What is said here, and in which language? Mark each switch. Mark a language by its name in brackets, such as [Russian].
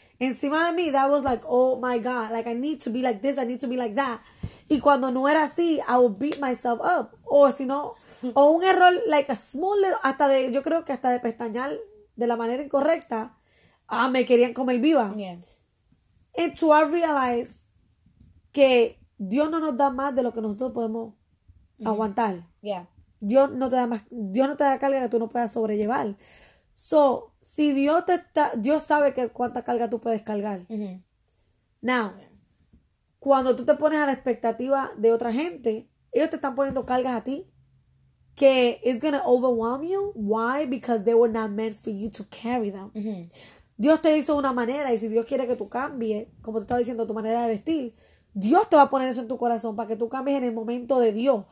[Spanish] Encima de mí, [English] that was like, oh my God, like I need to be like this, I need to be like that. [Spanish] Y cuando no era así, [English] I would beat myself up. [Spanish] O si no, o un error, [English] like a small little, [Spanish] hasta de, yo creo que hasta de pestañear de la manera incorrecta, ah, me querían comer viva. [English] Yeah. And to I realize [Spanish] que Dios no nos da más de lo que nosotros podemos aguantar. [English] Yeah. [Spanish] Dios no te da más, Dios no te da carga que tú no puedas sobrellevar. So, si Dios te está, Dios sabe que cuánta carga tú puedes cargar. Mm-hmm. Now, cuando tú te pones a la expectativa de otra gente, ellos te están poniendo cargas a ti que [English] it's gonna overwhelm you. Why? Because they were not meant for you to carry them. Mm-hmm. [Spanish] Dios te hizo de una manera y si Dios quiere que tú cambies, como te estaba diciendo, tu manera de vestir, Dios te va a poner eso en tu corazón para que tú cambies en el momento de Dios,